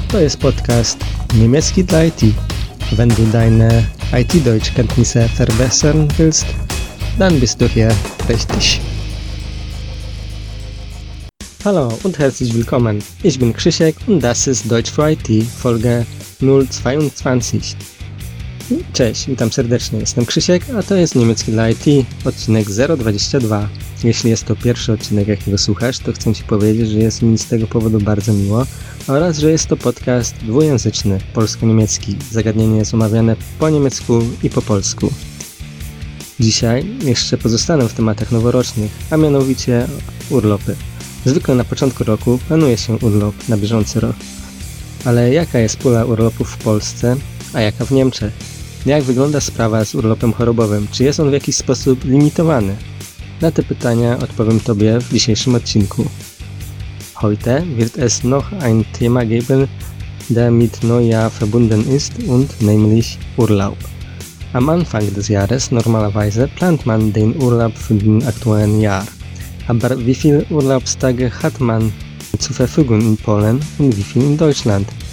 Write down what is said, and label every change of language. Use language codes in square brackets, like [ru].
[pl] To jest podcast Niemiecki dla IT. [de] Wenn du deine IT-Deutschkenntnisse verbessern willst, dann bist du hier richtig. Hallo und herzlich willkommen. Ich bin Krzysiek und das ist Deutsch für IT, Folge 022. [pl] Cześć, witam serdecznie. Jestem Krzysiek, a to jest Niemiecki dla IT, odcinek 022. Jeśli jest to pierwszy odcinek, jakiego słuchasz, to chcę Ci powiedzieć, że jest mi z tego powodu bardzo miło oraz, że jest to podcast dwujęzyczny, polsko-niemiecki. Zagadnienie jest omawiane po niemiecku i po polsku. Dzisiaj jeszcze pozostanę w tematach noworocznych, a mianowicie urlopy. Zwykle na początku roku planuje się urlop na bieżący rok. Ale jaka jest pula urlopów w Polsce, a jaka w Niemczech? Jak wygląda sprawa z urlopem chorobowym? Czy jest on w jakiś sposób limitowany? Na te pytania odpowiem Tobie w dzisiejszym odcinku. [de] Heute wird es noch ein Thema geben, der mit Neujahr verbunden ist, und nämlich Urlaub. Am Anfang des Jahres normalerweise plant man den Urlaub für den aktuellen Jahr. Aber wie viele Urlaubstage hat man zur Verfügung in Polen und wie viel in Deutschland?